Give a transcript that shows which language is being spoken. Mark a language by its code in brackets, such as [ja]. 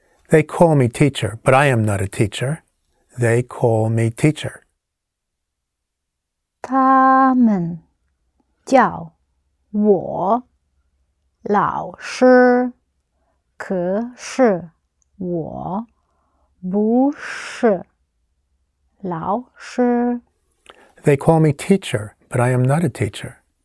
[en] They call me teacher, but I am not a teacher. They call me teacher. [zh] 他们叫我老师，可是我不是老师。 [en] They call me teacher, but I am not a teacher.